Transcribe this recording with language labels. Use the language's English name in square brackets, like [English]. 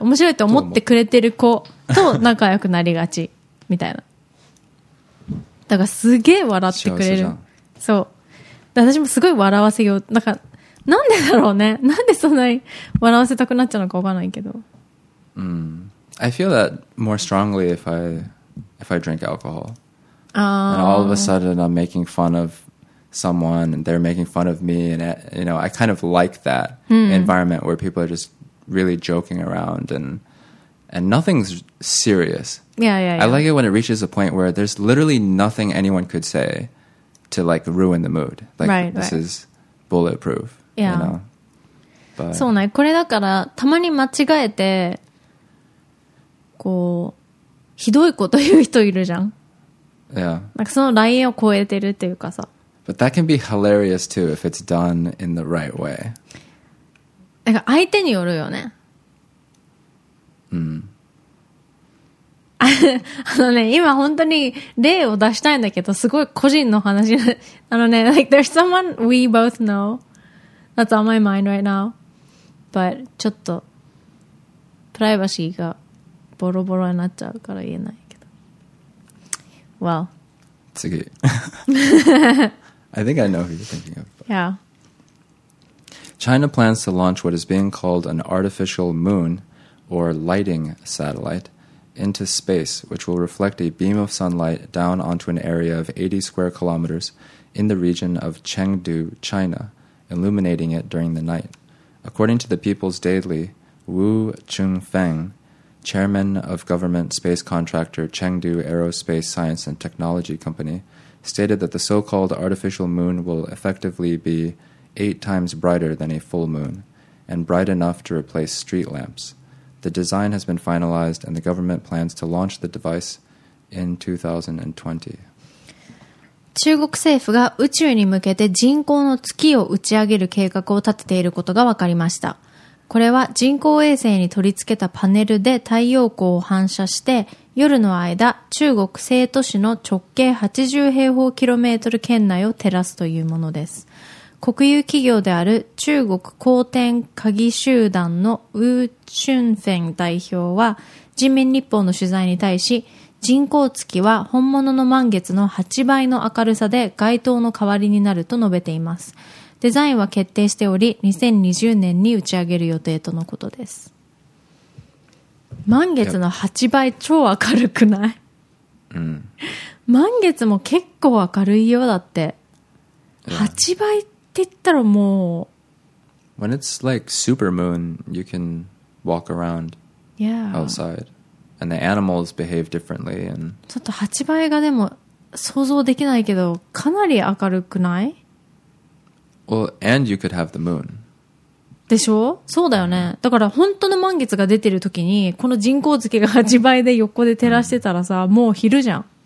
[Japanese] 面白いと思ってくれてる子と仲良くなりがちみたいな。だからすげえ笑ってくれる。そう。私もすごい笑わせよう。なんかなんでだろうね。なんでそんなに笑わせたくなっちゃうのかわかんないけど。 [English] I feel that more strongly if I drink alcohol. And all of a sudden I'm making fun of someone and they're making fun of me and it, you know, I kind of like that environment where people are just really joking around and nothing's serious. Yeah, yeah, yeah. I like it when it reaches a point where there's literally nothing anyone could say to like ruin the mood. Like right, this right. is bulletproof. Yeah. You know? But, [Japanese] そうね。これだからたまに間違えてこうひどいこと言う人いるじゃん。 [English] Yeah. Like, but that can be hilarious too if it's done in the right way. [Japanese] なんか相手によるよね。 Mm. あのね、今本当に例を出したいんだけど、すごい個人の話。あのね、 [English] like, there's someone we both know that's on my mind right now. But, [Japanese] ちょっと、プライバシーがボロボロになっちゃうから言えないけど。 [English] Well. [Japanese] 次。 [English] I think I know who you're thinking of. But... Yeah. China plans to launch what is being called an artificial moon or lighting satellite. Into space, which will reflect a beam of sunlight down onto an area of 80 square kilometers in the region of Chengdu, China, illuminating it during the night. According to the People's Daily, Wu Chunfeng, chairman of government space contractor Chengdu Aerospace Science and Technology Company, stated that the so-called artificial moon will effectively be 8 times brighter than a full moon, and bright enough to replace street lamps. The design has been finalized and the government plans to launch the device in 2020. [Japanese] 中国政府が宇宙に向けて人工の月を打ち上げる計画を立てていることが分かりました。これは人工衛星に取り付けたパネルで太陽光を反射して夜の間中国西都市の直径80平方キロメートル圏内を照らすというものです。国有企業である中国光天鍵集団のウー・チュンフェン代表は人民日報の取材に対し人工月は本物の満月の8倍の明るさで街灯の代わりになると述べています。デザインは決定しており2020年に打ち上げる予定とのことです。満月の8倍超明るくない？満月も結構明るいよ。だって8倍って言ったらもう、 [English] when it's like super moon, you can walk around、 yeah. outside, and the animals behave differently. And [Japanese] ちょっと8倍がでも想像できないけど、かなり明るくない？ [English] Well, and you could have the moon. [Japanese] でしょ？そうだよね。だから本当の満月が出てる時に、この人工月が8倍で横で照らしてたらさ、もう昼じゃん。